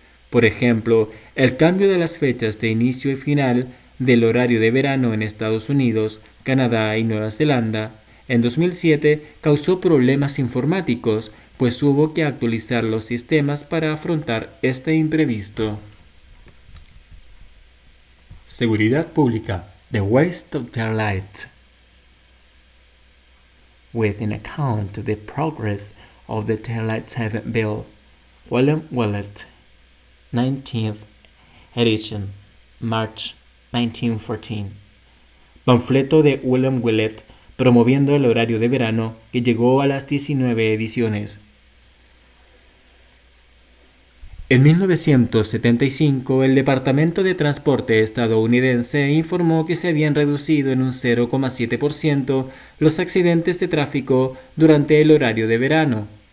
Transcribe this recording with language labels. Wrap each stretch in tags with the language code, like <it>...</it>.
<es>Por ejemplo, el cambio de las fechas de inicio y final del horario de verano en Estados Unidos, Canadá y Nueva Zelanda en 2007 causó problemas informáticos, pues hubo que actualizar los sistemas para afrontar este imprevisto. Seguridad pública,</es> <en>the waste of their light. With an account of the progress of the Daylight Saving Bill, William Willett, 19th edition, March 1914.</en> <es>Panfleto de William Willett promoviendo el horario de verano que llegó a las 19 ediciones. En 1975, el Departamento de Transporte estadounidense informó que se habían reducido en un 0,7% los accidentes de tráfico durante el horario de verano.</es>